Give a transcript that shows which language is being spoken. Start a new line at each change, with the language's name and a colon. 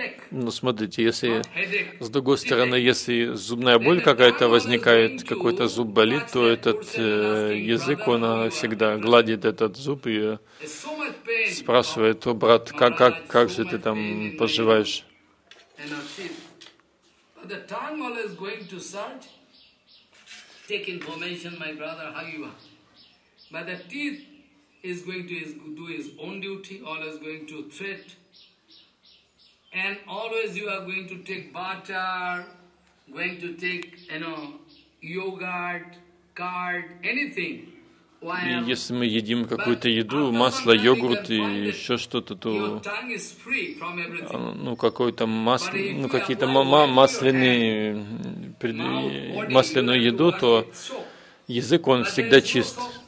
Russian: Но смотрите, если с другой стороны, если зубная боль какая-то возникает, какой-то зуб болит, то этот язык, он всегда гладит этот зуб и спрашивает: «О, брат, как же ты там поживаешь?»
English: And always you are going to take butter, going to take, yogurt, curd, anything.
Russian: И если мы едим какую-то еду, масло, йогурт и еще что-то, то, масляную еду, то язык, он всегда чист.